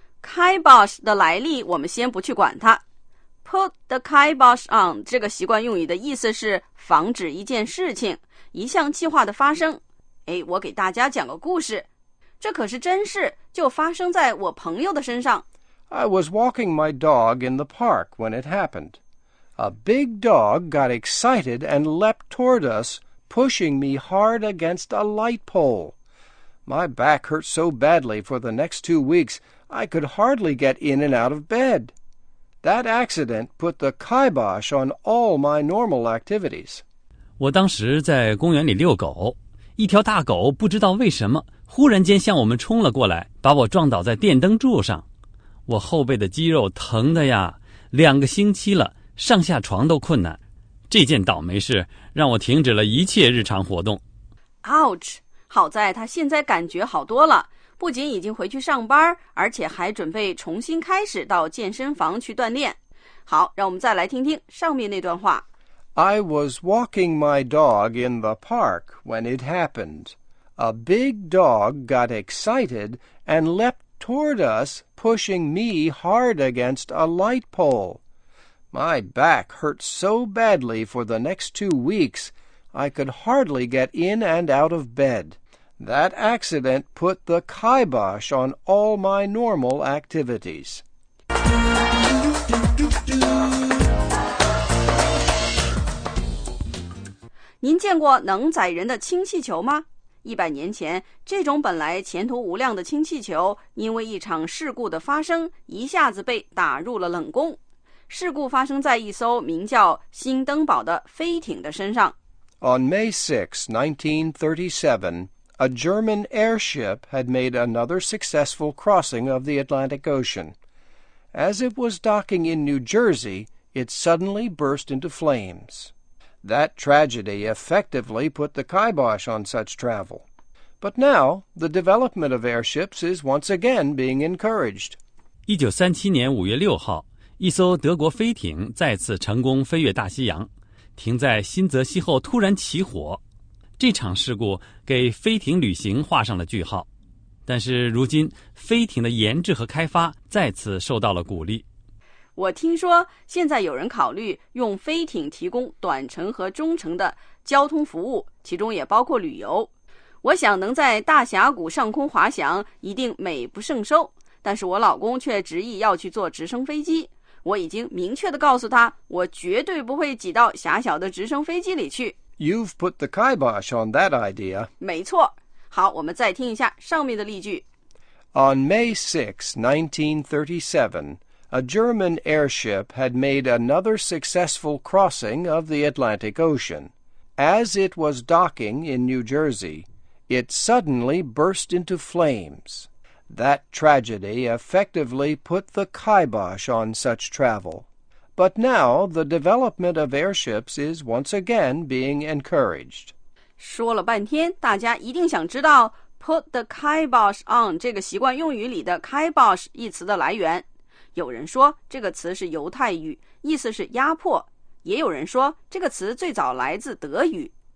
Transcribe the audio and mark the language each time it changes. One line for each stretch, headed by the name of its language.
Chinese: Kibosh 的来历我们先不去管它。 Put the kibosh on 这个习惯用语的意思是防止一件事情、一项计划的发生。哎，我给大家讲个故事，这可是真事，就发生在我朋友的身上。
English: I was walking my dog in the park when it happened. A big dog got excited and leapt toward us, pushing me hard against a light pole. My back hurt so badly for the next 2 weeks, I could hardly get in and out of bed. That accident put the kibosh on all my normal activities.
Chinese: 我当时在公园里遛狗，一条大狗不知道为什么，忽然间向我们冲了过来，把我撞倒在电灯柱上。我后背的肌肉疼的呀，两个星期了，上下床都困难。这件倒霉事让我停止了一切日常活动。
English: Ouch！
Chinese: 好在他现在感觉好多了，不仅已经回去上班，而且还准备重新开始到健身房去锻炼。好，让我们再来听听上面那段话。
English: I was walking my dog in the park when it happened. A big dog got excited and leapt toward us, pushing me hard against a light pole. My back hurt so badly for the next 2 weeks, I could hardly get in and out of bed. That accident put the kibosh on all my normal activities.
Chinese: 您见过能载人的氢气球吗？100年前，这种本来前途无量的氢气球，因为一场事故的发生，一下子被打入了冷宫。事故发生在一艘名叫“新登堡”的飞艇的身上。
English: On May 6, 1937, a German airship had made another successful crossing of the Atlantic Ocean. As it was docking in New Jersey, it suddenly burst into flames. That tragedy effectively put the kibosh on such travel. But now, the development of airships is once again being encouraged.
Chinese: 1937年5月6号，一艘德国飞艇再次成功飞越大西洋，停在新泽西后突然起火。这场事故给飞艇旅行画上了句号。但是如今，飞艇的研制和开发再次受到了鼓励。我听说现在有人考虑用飞艇提供短程和中程的交通服务，其中也包括旅游。我想能在大峡谷上空滑翔一定美不胜收，但是我老公却执意要去坐直升飞机。我已经明确地告诉他，我绝对不会挤到狭小的直升飞机里去。
English: You've put the kibosh on that idea.
Chinese: 没错。好，我们再听一下上面的例句。
English: On May 6, 1937,A German airship had made another successful crossing of the Atlantic Ocean. As it was docking in New Jersey, it suddenly burst into flames. That tragedy effectively put the kibosh on such travel. But now the development of airships is once again being encouraged.
Chinese: 说了半天，大家一定想知道 put the kibosh on 这个习惯用语里的 kibosh 一词的来源。有人说这个词是犹太语，意思是压迫，也有人说这个词最早来自德语。